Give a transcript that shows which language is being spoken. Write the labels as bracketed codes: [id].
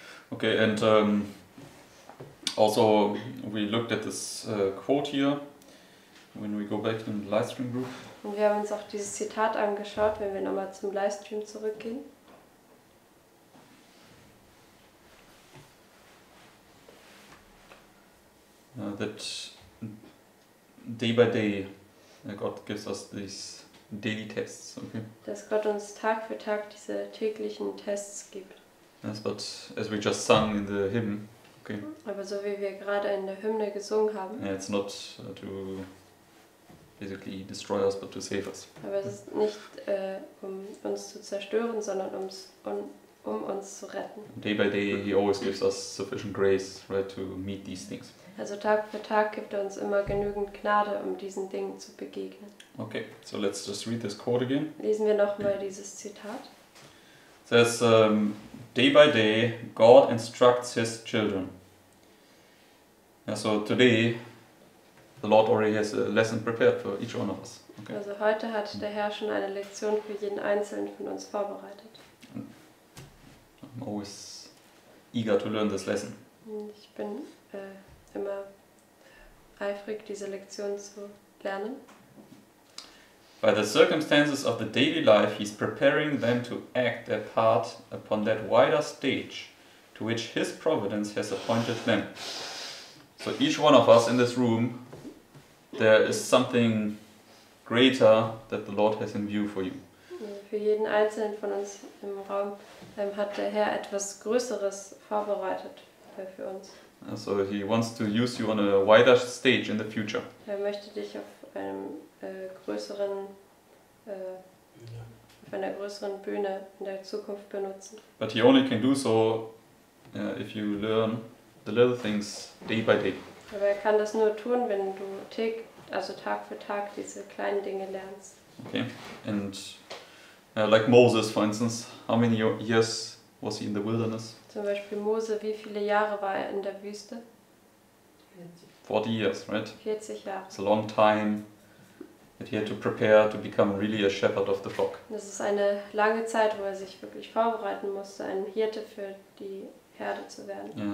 [en] Okay, and also we looked at this quote here when we go back in the live stream group. [de] Und wir haben uns auch dieses Zitat angeschaut, wenn wir nochmal zum Livestream zurückgehen. [en] That day by day God gives us these daily tests, okay. [de] Dass Gott uns Tag für Tag diese täglichen Tests gibt. [en] Yes, but as we just sung in the hymn, okay. [de] Aber so wie wir gerade in der Hymne gesungen haben. [en] Yeah, it's not to basically destroy us, but to save us. [de] Aber es ist nicht um uns zu zerstören, sondern um uns zu retten. [en] Day by day, he always gives us sufficient grace, right, to meet these things. [de] Also Tag für Tag gibt er uns immer genügend Gnade, um diesen Dingen zu begegnen. [en] Okay, so let's just read this quote again. [de] Lesen wir nochmal dieses Zitat. [en] It says, day by day, God instructs his children. And so today, the Lord already has a lesson prepared for each one of us. Okay. [de] Also heute hat der Herr schon eine Lektion für jeden Einzelnen von uns vorbereitet. [en] I'm always eager to learn this lesson. [de] Ich bin immer eifrig, diese Lektion zu lernen. [en] By the circumstances of the daily life, he's preparing them to act their part upon that wider stage to which his providence has appointed them. So each one of us in this room, there is something greater that the Lord has in view for you. [de] Für jeden Einzelnen von uns im Raum hat der Herr etwas Größeres vorbereitet für uns. [en] So he wants to use you on a wider stage in the future. [de] Er möchte dich auf einem größeren auf einer größeren Bühne in der Zukunft benutzen. [en] But he only can do so if you learn the little things day by day. [de] Aber er kann das nur tun, wenn du Tag für Tag diese kleinen Dinge lernst. [en] Okay. And like Moses for instance, how many years was he in the wilderness? [de] Zum Beispiel Mose, wie viele Jahre war er in der Wüste? [en] 40 years, right? [de] 40 Jahre. [en] It's a long time that he had to prepare to become really a shepherd of the flock. [de] Das ist eine lange Zeit, wo er sich wirklich vorbereiten musste, ein Hirte für die Herde zu werden.